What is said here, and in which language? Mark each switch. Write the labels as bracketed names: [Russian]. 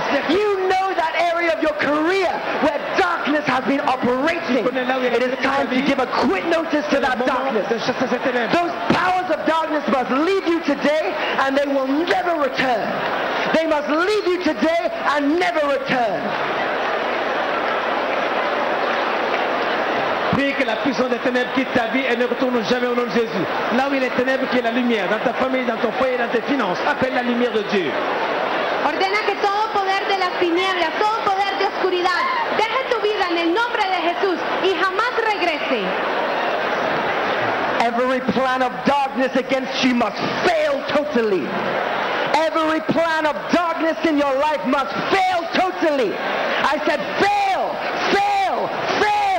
[English] You know that area of your career where darkness has been operating. It is time to give a quit notice to that darkness. Those powers of darkness must leave you today and they will never return. They must leave you today and never return. [French] Priez que la puissance des ténèbres quitte ta vie et ne retourne jamais au nom de Jésus. Là où il y a les ténèbres, qui est la lumière, dans ta famille, dans ton foyer, dans tes finances. Appelle la lumière de Dieu. [Spanish] Ordena que todo poder de las tinieblas, todo poder de oscuridad, deje tu vida en el nombre de Jesús y jamás regrese. [English] Every plan of darkness against you must fail totally. Every plan of darkness in your life must fail totally. I said fail, fail, fail.